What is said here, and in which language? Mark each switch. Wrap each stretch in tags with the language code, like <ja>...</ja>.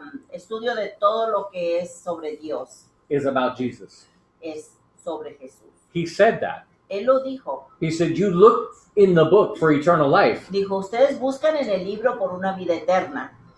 <es>Estudio de todo lo que es sobre Dios.</es> <en>Is about Jesus.</en> <es>Es sobre Jesús.</es> <en>He said that.</en> <es>Él lo dijo.</es> <en>He said, "You look in the book for eternal life."</en> <es>Dijo, ustedes buscan en el libro por una vida eterna.</es>